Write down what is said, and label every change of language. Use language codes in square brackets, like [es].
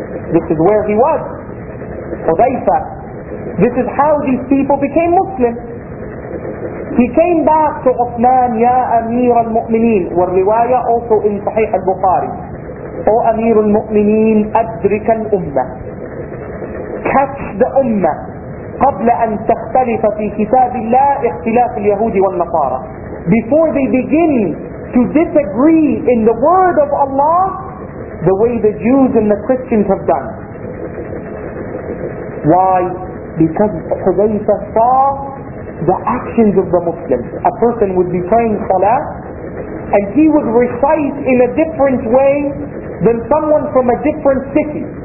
[en] This is where he was, Hudayfa. This is how these people became Muslim. He came back to Uthman, Ya Amir al-Mu'mineen, wa riwayah also in Sahih al-Bukhari. O Amir al-Mu'mineen, [ar] adrik al-Ummah. [en] Catch the Ummah, [ar] قبل أن تختلف في كتاب الله اختلاف اليهود والنصارى. [en] Before they begin to disagree in the word of Allah the way the Jews and the Christians have done. Why? Because Hudayfa saw the actions of the Muslims. A person would be praying Salah and he would recite in a different way than someone from a different city.